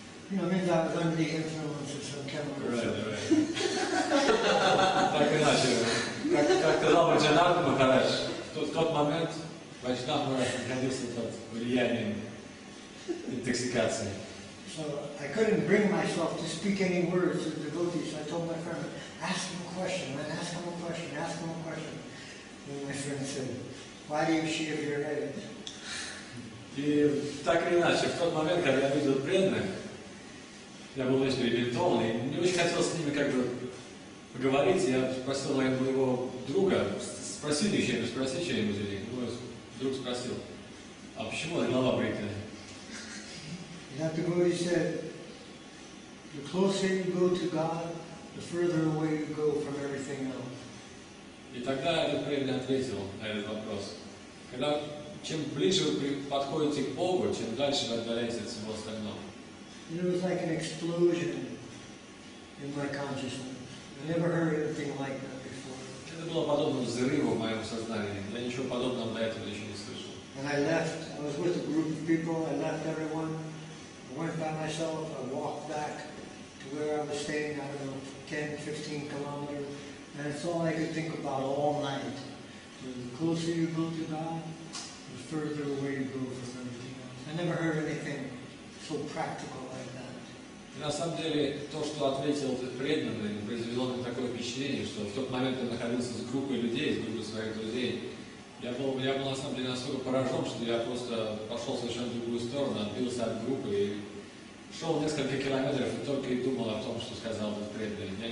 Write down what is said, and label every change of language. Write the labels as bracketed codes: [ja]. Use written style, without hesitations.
[en] You know, means I was under the influence of some chemicals. Right. [ru] Так иначе. Как сказал Ваджанат Махарадж, в тот момент Ваджанат находился под влиянием интоксикации. [en] So I couldn't bring myself to speak any words to the devotees. So I told my friend, ask him a question, man, ask him a question, ask him a question. And my friend said, why do you shave your head? [ru] И так или иначе, в тот момент, когда я видел Преми, я был весь перебинтован, и мне очень хотелось с ними как бы поговорить. Я спросил моего друга, спросили еще, не спросили что-нибудь или нет. Мой друг спросил, а почему голова бритая? [en] You have to go, he said, the closer you go to God, the further away you go from everything else. [ru] И тогда этот Преми ответил на этот вопрос. Когда чем ближе вы подходите к Богу, чем дальше вы отдаляетесь от всего остального. [en] It was like an explosion in my consciousness. I never heard anything like that before. [ru] Это было подобно взрыву в моем сознании. Я ничего подобного до этого еще не слышал. [en] And I left. I was with a group of people. I left everyone. I went by myself. I walked back to where I was staying. I don't know, 10-15 kilometers. And it's all I could think about all night. The closer you go to God, the further away you go from everything else. I never heard anything so practical like that. [ru] И на самом деле, то, что ответил этот преданный, произвело мне такое впечатление, что в тот момент я находился с группой людей, с группой своих друзей. Я был на самом деле настолько поражен, что я просто пошел совершенно в другую сторону, отбился от группы и шел несколько километров и только и думал о том, что сказал этот преданный.